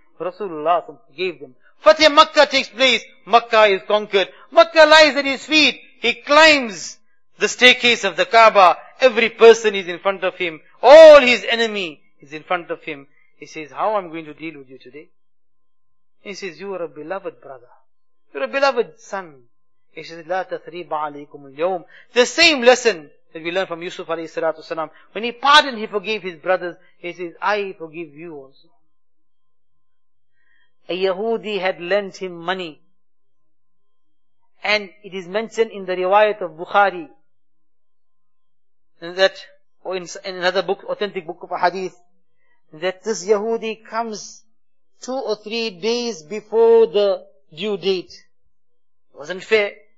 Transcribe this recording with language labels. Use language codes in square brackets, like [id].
[en] Rasulullah gave them. Fatih Makkah takes place. Makkah is conquered. Makkah lies at his feet. He climbs the staircase of the Kaaba. Every person is in front of him. All his enemy is in front of him. He says, how am I going to deal with you today? He says, you are a beloved brother. You are a beloved son. He says, [ar] لا تثريب عليكم اليوم. [en] The same lesson that we learn from Yusuf alayhi salatu salam. When he pardoned, he forgave his brothers. He says, I forgive you also. A Yahudi had lent him money. And it is mentioned in the riwayat of Bukhari that, or in another book, authentic book of a hadith, that this Yahudi comes 2 or 3 days before the due date. It wasn't fair.